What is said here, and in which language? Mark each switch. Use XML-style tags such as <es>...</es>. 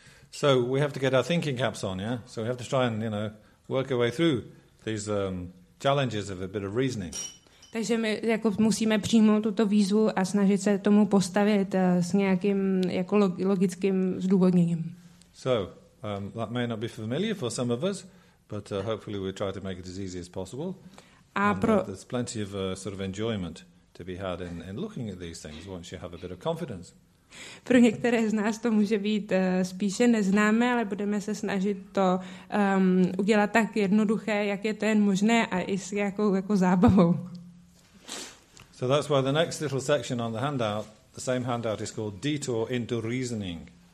<en>So we have to get our thinking caps on, yeah? So we have to try and, work our way through these challenges of a bit of reasoning.</en> <cs>Takže my jako musíme přijmout tuto výzvu a snažit se tomu postavit s nějakým jako logickým zdůvodněním.</cs> <en>So, that may not be familiar for some of us, but hopefully we try to make it as easy as possible. There's plenty of sort of enjoyment to be had in looking at these things once you have a bit of confidence.</en> <cs>Pro některé z nás to může být spíše neznámé, ale budeme se snažit to udělat tak jednoduché, jak je to jen možné a i s jakou jako zábavou.</cs> <en>So that's why the next little section on the handout, the same handout, is called Detour into Reasoning.</en>